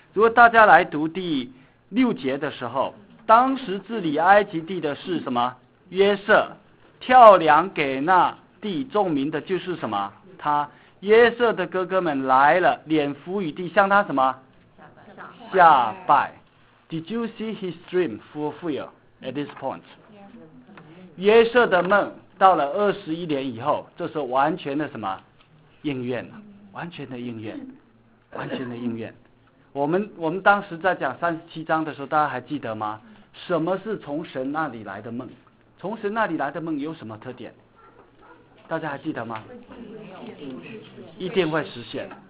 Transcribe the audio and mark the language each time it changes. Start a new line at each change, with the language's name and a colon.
Chinese: 如果大家来读第六节的时候，当时治理埃及地的是什么？约瑟，跳梁给那地众民的就是什么？他约瑟的哥哥们来了，脸伏于地向他什么？下拜。
English: Did you see his dream fulfilled at this point?
Chinese: 约瑟的梦到了二十一年以后，这时候完全的什么应验了？完全的应验，完全的应验。我们当时在讲三十七章的时候，大家还记得吗？什么是从神那里来的梦？从神那里来的梦有什么特点？大家还记得吗？一定会实现。